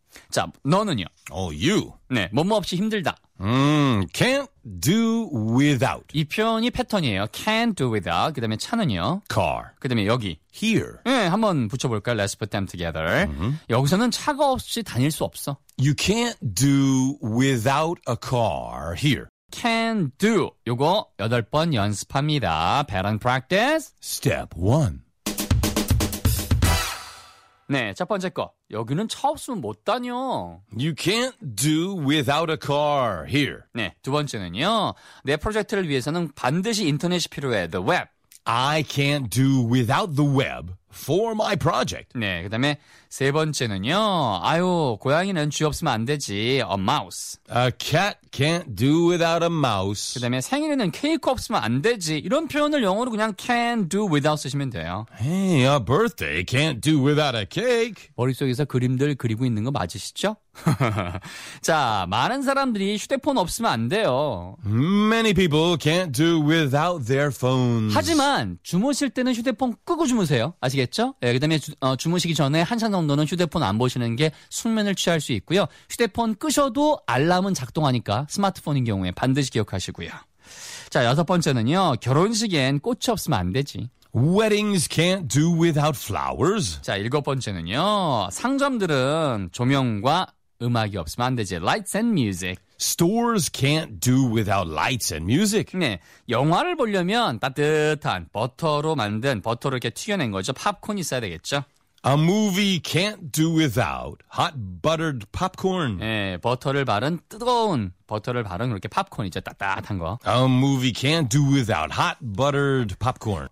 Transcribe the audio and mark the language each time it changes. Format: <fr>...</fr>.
<ko>자, 너는요?</ko> <en>Oh, you.</en> <ko>네, 뭐뭐 없이 힘들다.</ko> <en>Can't do without.</en> <ko>이 표현이 패턴이에요.</ko> <en>Can't do without.</en> <ko>그 다음에 차는요?</ko> <en>Car.</en> <ko>그 다음에 여기?</ko> <en>Here.</en> <ko>네, 한번 붙여볼까요?</ko> <en>Let's put them together. Mm-hmm.</en> <ko>여기서는 차가 없이 다닐 수 없어.</ko> <en>You can't do without a car here. Can do.</en> <ko>요거 여덟 번 연습합니다.</ko> <en>Pattern practice. Step one.</en> <ko>네, 첫 번째 거. 여기는 차 없으면 못 다녀.</ko> <en>You can't do without a car here.</en> <ko>네, 두 번째는요. 내 프로젝트를 위해서는 반드시 인터넷이 필요해.</ko> <en>The web. I can't do without the web for my project.</en> <ko>네, 그 다음에 세 번째는요. 아유, 고양이는 쥐 없으면 안 되지.</ko> <en>A mouse. A cat can't do without a mouse.</en> <ko>그 다음에 생일에는 케이크 없으면 안 되지. 이런 표현을 영어로 그냥</ko> <en>can do without</en> <ko>쓰시면 돼요.</ko> <en>Hey, a birthday can't do without a cake.</en> <ko>머릿속에서 그림들 그리고 있는 거 맞으시죠? 자, 많은 사람들이 휴대폰 없으면 안 돼요.</ko> <en>Many people can't do without their phones.</en> <ko>하지만 주무실 때는 휴대폰 끄고 주무세요. 아시겠죠? 네, 그 다음에 주무시기 전에 한참 정도는 휴대폰 안 보시는 게 숙면을 취할 수 있고요. 휴대폰 끄셔도 알람은 작동하니까 스마트폰인 경우에 반드시 기억하시고요. 자, 여섯 번째는요. 결혼식엔 꽃이 없으면 안 되지.</ko> <en>Weddings can't do without flowers.</en> <ko>자, 일곱 번째는요. 상점들은 조명과 음악이 없으면 안 되지.</ko> <en>Lights and music. Stores can't do without lights and music.</en> <ko>네, 영화를 보려면 따뜻한 버터로 만든 버터를 이렇게 튀겨낸 거죠. 팝콘이 있어야 되겠죠.</ko> <en>A movie can't do without hot buttered popcorn.</en> <ko>네, 버터를 바른 뜨거운 버터를 바른 그렇게 팝콘이죠. 따뜻한 거.</ko> <en>A movie can't do without hot buttered popcorn.</en>